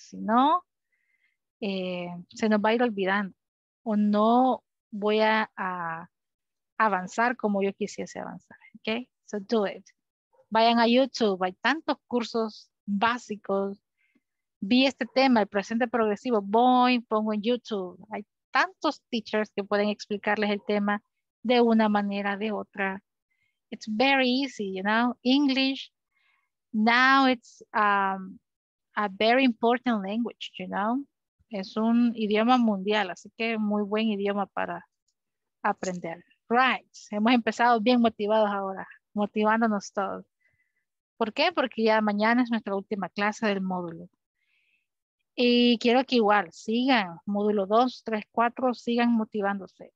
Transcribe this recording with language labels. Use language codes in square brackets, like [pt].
[es] Si no, se nos va a ir olvidando o no voy a avanzar como yo quisiese avanzar. Okay? [en] So do it. [es] Vayan a YouTube, hay tantos cursos básicos. Vi este tema, el presente progresivo, voy, pongo en YouTube. Hay tantos teachers que pueden explicarles el tema de una manera, de otra. [en] It's very easy, you know. English, now it's a very important language, you know. [es] Es un idioma mundial, así que muy buen idioma para aprender. Right, hemos empezado bien motivados ahora, motivándonos todos. ¿Por qué? Porque ya mañana es nuestra última clase del módulo. Y quiero que igual sigan, módulo 2, 3, 4, sigan motivándose.